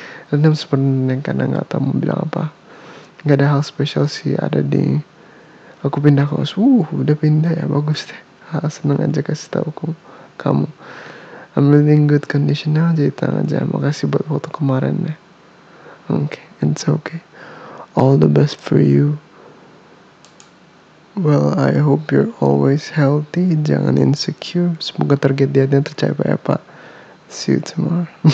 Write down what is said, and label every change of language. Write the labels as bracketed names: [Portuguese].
[Indonesian] Renem sebenarnya karena gak tahu mau bilang apa. Gak ada hal spesial sih ada di... Aku pindah kos. Udah pindah ya, bagus deh. Senang aja kasih tahu aku, kamu. [English] I'm really in good condition now, [Indonesian] jadi tenang aja. Makasih buat waktu kemarin ya. [English] Okay, it's okay. All the best for you. Well, I hope you're always healthy. [Indonesian] Jangan insecure. Semoga target dia yang tercapai ya, Pak. [English] See you tomorrow.